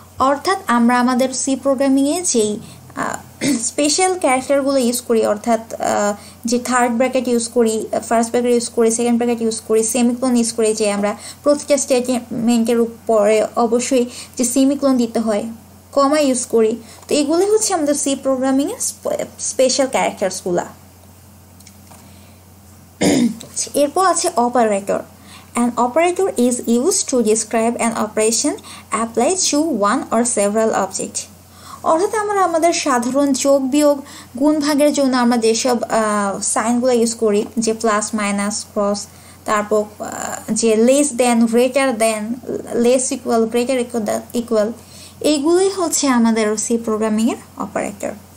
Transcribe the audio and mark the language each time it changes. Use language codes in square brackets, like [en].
[bn] অর্থাৎ আমরা আমাদের সি প্রোগ্রামিংয়ে যেই স্পেশাল ক্যারেক্টারগুলো ইউজ করি, অর্থাৎ যে থার্ড ব্র্যাকেট ইউজ করি, ফার্স্ট ব্র্যাকেট ইউজ করি, সেকেন্ড ব্র্যাকেট ইউজ করি, সেমিকোলন ইউজ করি, যে আমরা প্রতিটা স্টেটমেন্টের উপরে অবশ্যই যে সেমিকোলন দিতে হয়, কমা ইউজ করি, তো এগুলোই হচ্ছে আমাদের সি প্রোগ্রামিংয়ের স্পেশাল ক্যারেক্টারসগুলা। এরপর আছে operator. [en] An operator is used to describe an operation applied to one or several objects. [bn] অর্থাৎ আমরা আমাদের সাধারণ যোগ বিয়োগ গুণ ভাগের জন্য আমরা যেসব সাইনগুলো ইউজ করি, যে প্লাস মাইনাস ক্রস, তারপর যে less than greater than, less equal greater equal, এইগুলোই হচ্ছে আমাদের সি প্রোগ্রামিংয়ের অপারেটর।